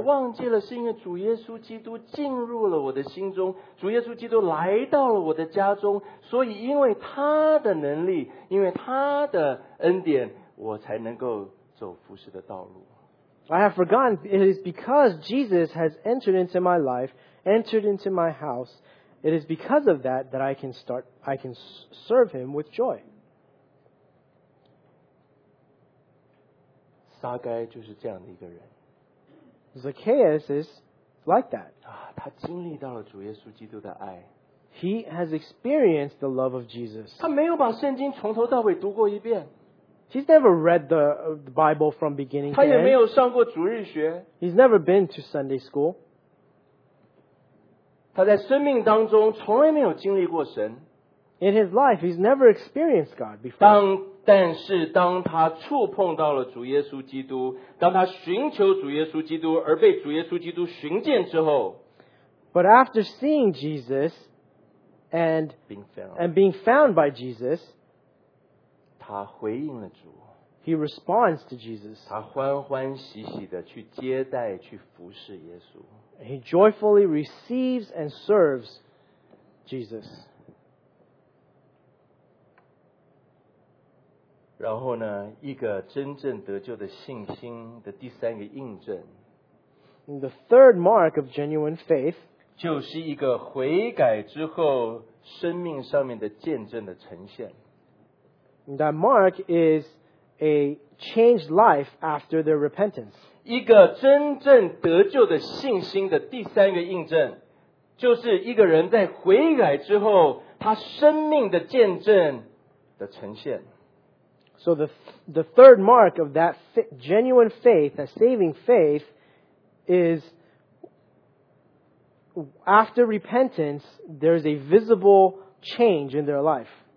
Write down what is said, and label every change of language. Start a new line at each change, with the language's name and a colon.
Chinese: 我忘记了，是因为主耶稣基督进入了我的心中，主耶稣基督来到了我的家中，所以因为他的能力，因为他的恩典，我才能够走服事的道路。
English: I have forgotten, it is because Jesus has entered into my life, entered into my house, it is because of that that I can serve him with joy.
Chinese: 撒该就是这样的一个人。
English: Zacchaeus is like that.
Chinese: 啊，他经历到了主耶稣基督的爱。
English: He has experienced the love of Jesus.
Chinese: 他没有把圣经从头到尾读过一遍。
English: He's never read the Bible from beginning to end.
Chinese: 他也没有上过主日学。
English: He's never been to Sunday school.
Chinese: 他在生命当中从来没有经历过神。
English: In his life, he's never experienced God before.
Chinese: 但是当他触碰到了主耶稣基督，当他寻求主耶稣基督而被主耶稣基督寻见之后
English: ，But after seeing Jesus and being found by Jesus，
Chinese: 他回应了主
English: ，He responds to Jesus，
Chinese: 他欢欢喜喜的去接待去服侍耶稣
English: ，He joyfully receives and serves Jesus.
Chinese: 然后呢，一个真正得救的信心的第三个印证。
English: The third mark of genuine faith.
Chinese: 就是一个悔改之后生命上面的见证的呈现。
English: That mark is a changed life after their repentance.
Chinese: 一个真正得救的信心的第三个印证，就是一个人在悔改之后他生命的见证的呈现。
English: So the third mark of that genuine faith, that saving faith, is after repentance, there is a visible change in their life.